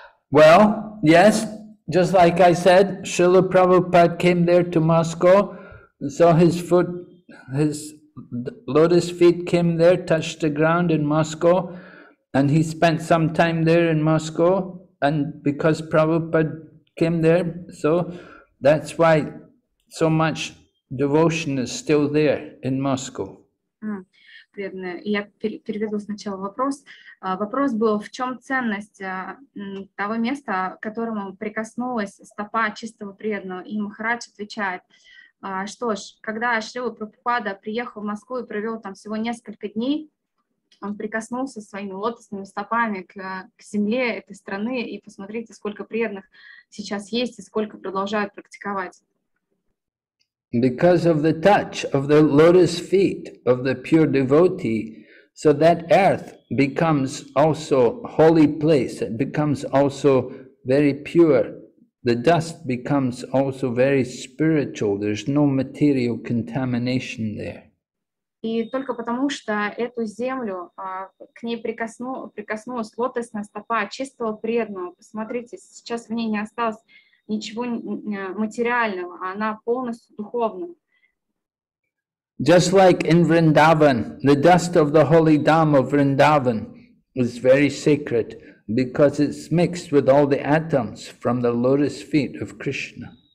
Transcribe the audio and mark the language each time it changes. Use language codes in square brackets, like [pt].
[en] Well, yes, just like I said, Srila Prabhupada came there to Moscow, so his foot, his lotus feet came there, touched the ground in Moscow, and he spent some time there in Moscow, and because Prabhupada came there, so that's why so much devotion is still there in Moscow. [ru] Верно. Я переведу сначала вопрос. Вопрос был, в чем ценность того места, к которому прикоснулась стопа чистого преданного? И Махарадж отвечает, что ж, когда Шрила Прабхупада приехал в Москву и провел там всего несколько дней, он прикоснулся своими лотосными стопами к земле этой страны, и посмотрите, сколько преданных сейчас есть и сколько продолжают практиковать. [en] Because of the touch of the lotus feet of the pure devotee, so that earth becomes also holy place, it becomes also very pure. The dust becomes also very spiritual, there's no material contamination there. [ru] И только потому, что эту землю, к ней прикоснулась лотосная стопа чистого преданного, посмотрите, сейчас в ней не осталось ничего материального, она полностью духовная. [en] Just like in Vrindavan, the dust of the holy dhamma of Vrindavan is very sacred because it's mixed with all the atoms from the lotus feet of Krishna.